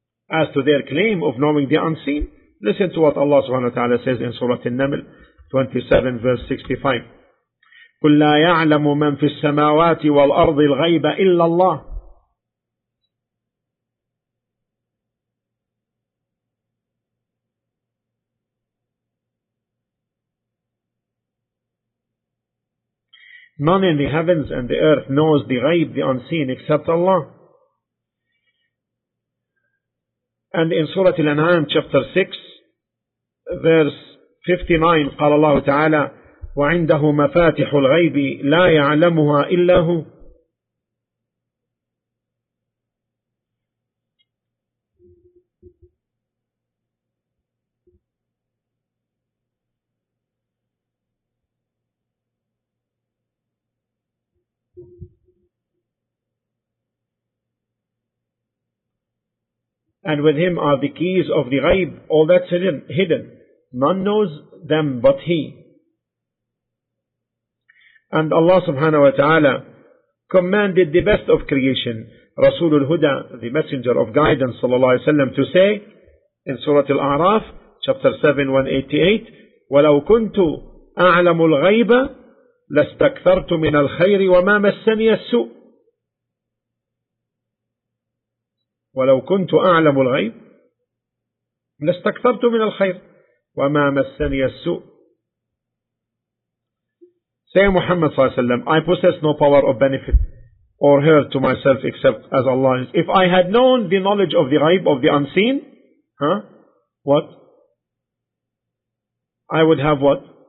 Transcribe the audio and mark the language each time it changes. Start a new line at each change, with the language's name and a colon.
English: As to their claim of knowing the unseen, listen to what Allah subhanahu wa ta'ala says in Surah An-Naml, 27:65.
Arabic: قل لا يعلم من في السماوات والأرض الغيب إلا الله.
English: None in the heavens and the earth knows the غيب, the unseen, except Allah. And in Surah Al-An'am, chapter 6, verse 59,
Arabic: قال الله تعالى وعنده مفاتح الغيب لا يعلمها إلا هو.
English: And with him are the keys of the ghaib, all that's hidden. None knows them but he. And Allah subhanahu wa ta'ala commanded the best of creation, Rasulul Huda, the messenger of guidance, sallallahu alayhi wa sallam, to say in Surah Al-A'raf, chapter 7, 188,
Arabic: وَلَوْ كُنْتُ أَعْلَمُ الْغَيْبَ لَاسْتَكْثَرْتُ مِنَ الْخَيْرِ وَمَا مَسَّنِيَ السُّءِ. ولو كنت أعلم الغيب لاستكثرت من الخير وما مسني السوء.
English: Say Muhammad صلى الله عليه وسلم, I possess no power of benefit or hurt to myself except as Allah is. If I had known the knowledge of the ghaib, of the unseen, huh? What? I would have what?